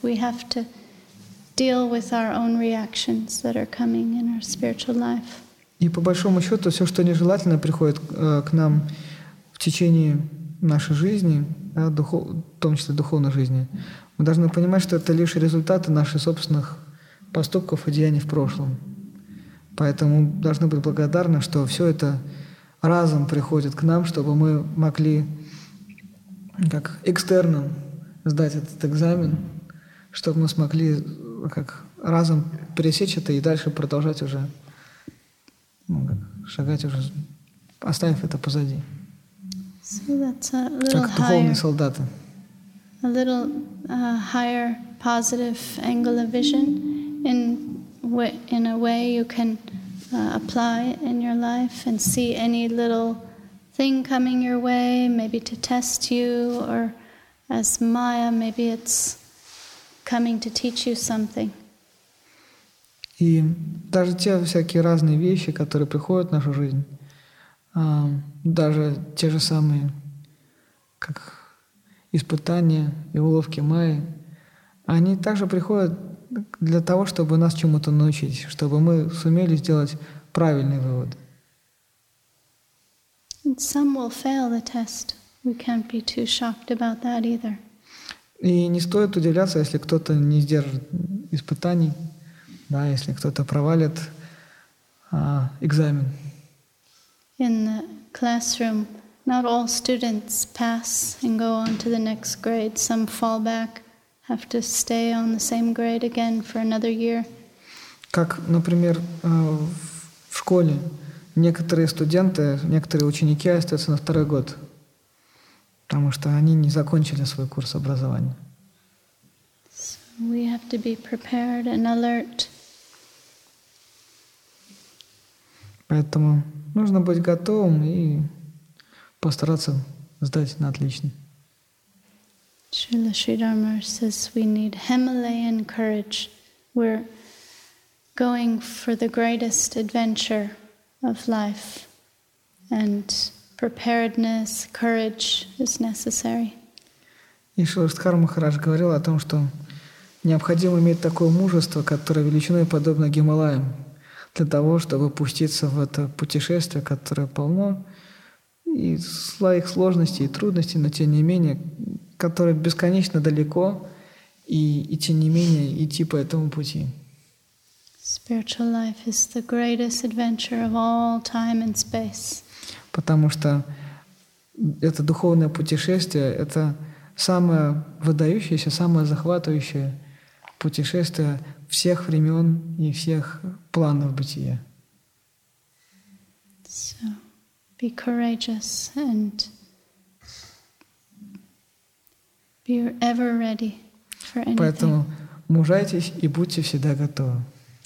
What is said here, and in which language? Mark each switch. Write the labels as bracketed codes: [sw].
[en] We have to deal with our own reactions that are coming in our spiritual life. [ru] И по большому счету все, что нежелательно приходит к нам в течение нашей жизни, да, в том числе духовной жизни, мы должны понимать, что это лишь результаты наших собственных поступков и деяний в прошлом. Поэтому должны быть благодарны, что все это разом приходит к нам, чтобы мы могли как экстерном сдать этот экзамен, чтобы мы смогли как разом пересечь это и дальше продолжать уже, ну, как, шагать уже, оставив это позади. [en] So that's a little [ru] как духовные [en] higher, [ru] солдаты. [en] A little higher positive angle of vision in a way you can apply in your life and see any little thing coming your way, maybe to test you, or as Maya, maybe it's coming to teach you something. [ru] И даже те всякие разные вещи, которые приходят в нашу жизнь, даже те же самые как испытания и уловки Майи, они также приходят для того, чтобы нас чему-то научить, чтобы мы сумели сделать правильный вывод. [en] And some will fail the test. We can't be too shocked about that either. [ru] И не стоит удивляться, если кто-то не сдержит испытаний, да, если кто-то провалит экзамен. [en] In the classroom, not all students pass and go on to the next grade. Some fall back. Have to stay on the same grade again for another year. [ru] Как, например, в школе некоторые студенты, некоторые ученики остаются на второй год. потому что они не закончили свой курс образования. [en] We have to be prepared and alert. [ru] Поэтому нужно быть готовым и постараться сдать на отлично. [en] Srila Sridharma says we need Himalayan courage. We're going for the greatest adventure of life, and preparedness, courage is necessary. [ru] И Шрила Шридхара Махарадж говорил о том, что необходимо иметь такое мужество, которое величиной подобно Гималаям, для того, чтобы пуститься в это путешествие, которое полно и своих сложностей и трудностей, но тем не менее, которое бесконечно далеко, и тем не менее идти по этому пути. [en] Spiritual life is the greatest adventure of all time and space. [ru] Потому что это духовное путешествие — это самое выдающееся, самое захватывающее путешествия всех времен и всех планов бытия. [en] So, be courageous and be ever ready for anything. [ru] Поэтому мужайтесь и будьте всегда готовы.